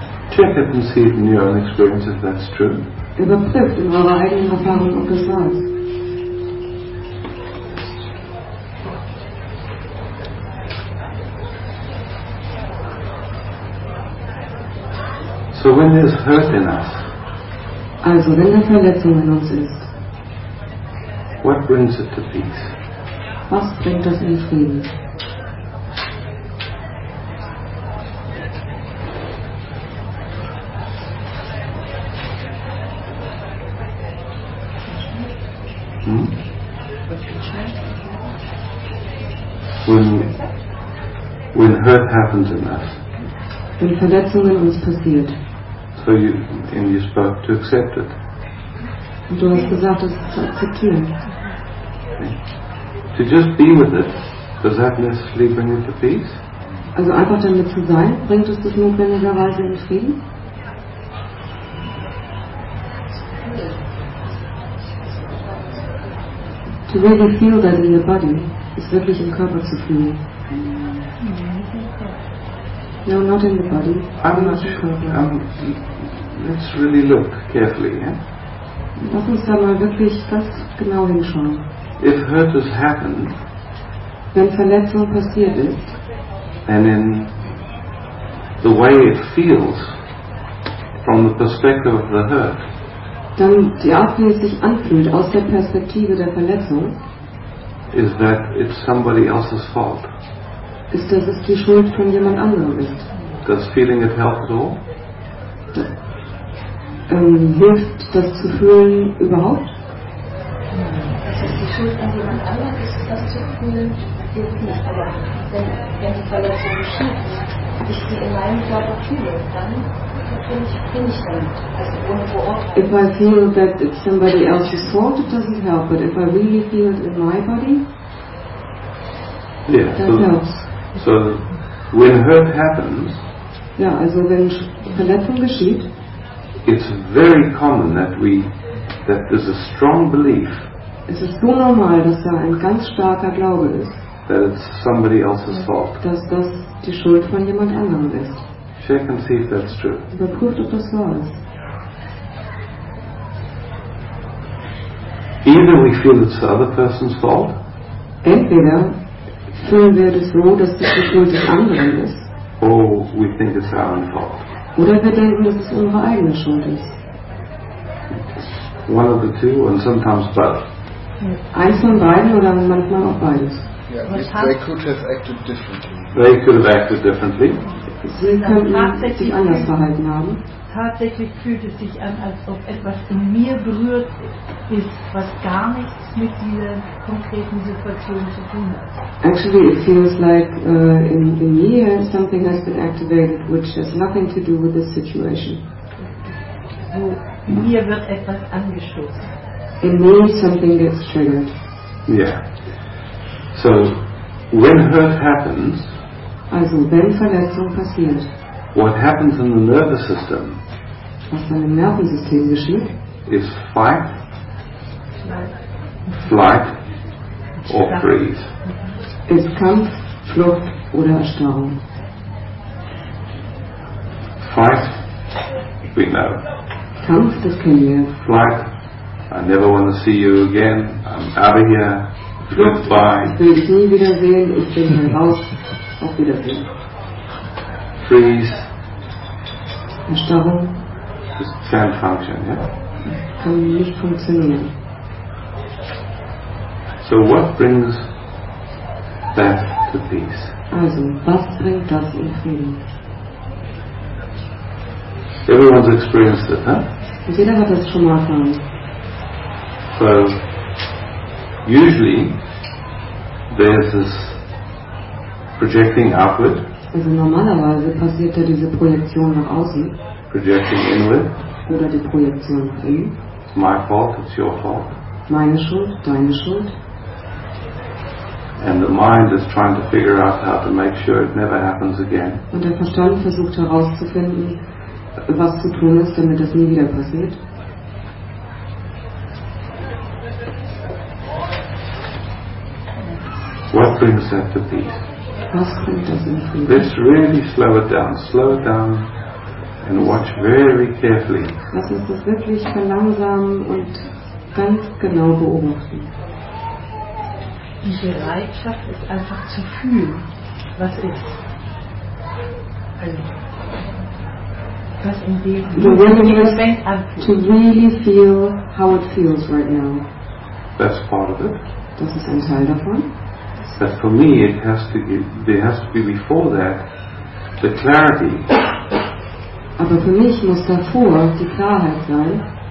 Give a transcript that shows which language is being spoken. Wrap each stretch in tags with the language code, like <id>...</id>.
<en>Check it and see it in your own experience if that's true.</en> <de>Überprüft in eurer eigenen Erfahrung, ob das wahr ist.</de> <en>So when there's hurt in us,</en> <de>also wenn eine Verletzung in uns ist,</de> <en>what brings it to peace?</en> <de>Was bringt das in Frieden?</de> <en>When hurt happens in us.</en> <de>Wenn Verletzungen uns passiert.</de> <en>So you, and you spoke to accept it.</en> <de>Und du hast gesagt, es zu akzeptieren.</de> <en>To just be with it, does that necessarily bring it to peace?</en> <de>Also einfach damit zu sein, bringt es dich notwendigerweise in Frieden?</de> <en>To really feel that in your body,</en> <de>ist wirklich im Körper zu fühlen.</de> <en>No, not in the body. Let's really look carefully. Yeah?</en> <de>Lass uns da mal wirklich ganz genau hinschauen.</de> <en>If hurt has happened,</en> <de>wenn Verletzung passiert ist,</de> <en>and in the way it feels from the perspective of the hurt,</en> <de>dann die Art, wie es sich anfühlt aus der Perspektive der Verletzung,</de> <en>is that it's somebody else's fault.</en> <de>Ist, dass es die Schuld von jemand anderem ist.</de> <en>Does feeling it help at all?</en> <de>Hilft das zu fühlen überhaupt? Dass es die Schuld von jemand anderem ist, das zu fühlen, hilft nicht. Aber wenn die Verletzung geschieht, ich sie in meinem Körper fühle, dann bin ich damit. Also ohne vor Ort.</de> <en>If I feel that it's somebody else's fault, it doesn't help. But if I really feel it in my body, yeah, that helps. So, when hurt happens,</en> <de>ja, also wenn Verletzung geschieht,</de> <en>it's very common that we that there's a strong belief.</en> <de>Es ist so normal, dass da ein ganz starker Glaube ist.</de> <en>That it's somebody else's fault.</en> <de>Dass das die Schuld von jemand anderem ist.</de> <en>Check and see if that's true.</en> <de>Überprüft, ob das wahr ist.</de> <en>Either we feel it's the other person's fault.</en> <de>Entweder fühlen wir das so, dass das die Schuld des anderen ist.</de> <en>Or we think it's our own fault.</en> <de>Oder wir denken, dass es unsere eigene Schuld ist.</de> <en>One of the two, and sometimes both.</en> <de>Eins von beiden oder manchmal auch beides.</de> <en>Yeah, they could have acted differently. They could have acted differently.</en> <de>Sie könnten sich anders verhalten haben. Tatsächlich fühlt es sich an, als ob etwas in mir berührt ist, was gar nichts mit dieser konkreten Situation zu tun hat.</de> <en>Actually, it feels like in me something has been activated, which has nothing to do with this situation.</en> <de>So, mir wird etwas angestoßen.</de> <en>In me, something gets triggered. Yeah. So, when hurt happens,</en> <de>also, wenn Verletzung passiert,</de> <en>what happens in the nervous system,</en> <de>was dann im Nervensystem geschieht,</de> <en>is fight, flight, or freeze.</en> <de>Ist Kampf, Flucht oder Erstarrung.</de> <en>Fight, we know.</en> <de>Kampf, das kennen wir.</de> <en>Flight, I never want to see you again, I'm out of here,</en> <de>Flucht,</de> <en>goodbye.</en> <de>Ich will dich nie wiedersehen, ich bin heraus, auf Wiedersehen.</de> <en>Freeze.</en> <de>Erstarrung. Das kann nicht funktionieren, ja? Kann nicht funktionieren.</de> <en>So what brings that to peace?</en> <de>Also, was bringt das in Frieden?</de> <en>Everyone's experienced it, huh?</en> <de>Und jeder hat das schon mal erfahren.</de> <en>So, usually, there's this projecting outward.</en> <de>Also normalerweise passiert ja diese Projektion nach außen.</de> <en>Projecting inward.</en> <de>Oder die Projektion nach innen.</de> <en>It's my fault, it's your fault.</en> <de>Meine Schuld, deine Schuld.</de> <en>And the mind is trying to figure out how to make sure it never happens again.</en> <de>Und der Verstand versucht herauszufinden, was zu tun ist, damit das nie wieder passiert.</de> <en>brings that to be?</en> <de>Was bringt das in Frieden?</de> <en>Let's really slow it down. Slow it down and watch very carefully.</en> <de>Lass uns das wirklich verlangsamen und ganz genau beobachten. Die Bereitschaft ist einfach zu fühlen, was ist.</de> <en>The willingness to really feel how it feels right now. That's part of it.</en> <de>Das ist ein Teil davon.</de> <en>But for me, it has to be, there has to be before that the clarity.</en> <de>Aber für mich muss davor die Klarheit sein.</de>